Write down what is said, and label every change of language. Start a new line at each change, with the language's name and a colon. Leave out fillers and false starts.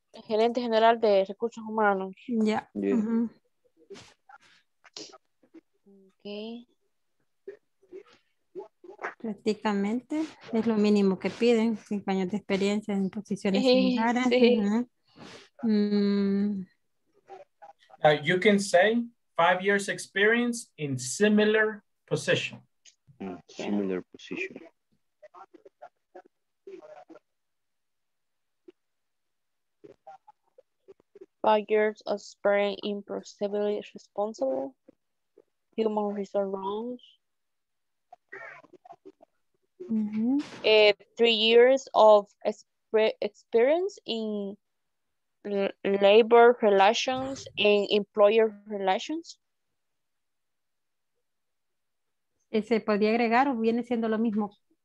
Spanish: Gerente General de Recursos Humanos. Ya. Yeah. Uh-huh. Ok. Prácticamente es lo mínimo que piden, 5 años de experiencia en posiciones similares. Sí. Uh-huh.
English: You can say 5 years experience in similar position. Similar position. Years of spraying improcedibly responsible human resource roles. Mm-hmm. 3 years of experience in labor relations and employer relations.
Spanish: ¿Se podría agregar o viene siendo lo mismo?